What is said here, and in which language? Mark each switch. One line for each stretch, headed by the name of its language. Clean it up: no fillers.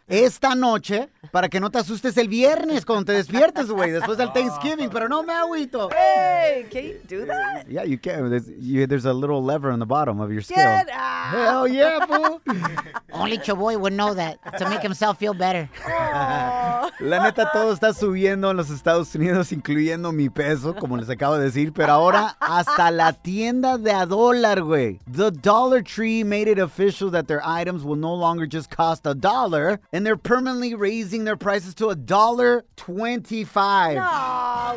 Spanish: Esta noche, para que no te asustes el viernes cuando te despiertes, güey, después del Thanksgiving, pero no me agüito.
English: Hey, can you do that? Yeah, you can. There's a little lever on the bottom of your scale. Get out! Hell yeah, boo! Only Chaboy would know that to make himself feel better.
Spanish: La neta, todo está subiendo en los Estados Unidos, incluyendo mi peso, como les acabo de decir, pero ahora hasta la tienda de a dólar, güey.
English: The Dollar Tree made it official that their items will no longer just cost a dollar, and they're permanently raising their prices to $1.25.